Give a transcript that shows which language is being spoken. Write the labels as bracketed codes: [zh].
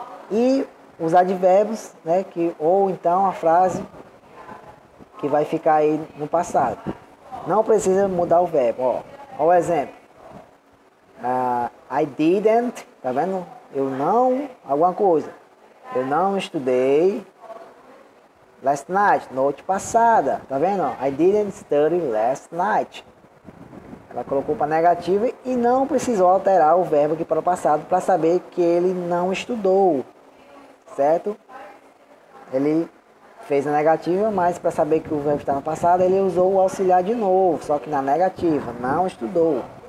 [pt] E os advérbios, né, que, ou então a frase que vai ficar aí no passado. Não precisa mudar o verbo, ó. Ó o exemplo. [en] I didn't, [pt] tá vendo? Eu não, alguma coisa. Eu não estudei [en] last night, [pt] noite passada, tá vendo? [en] I didn't study last night. [pt] Ela colocou para negativa e não precisou alterar o verbo aqui para o passado para saber que ele não estudou, certo? Ele fez a negativa, mas para saber que o verbo está no passado, ele usou o auxiliar de novo, só que na negativa, não estudou.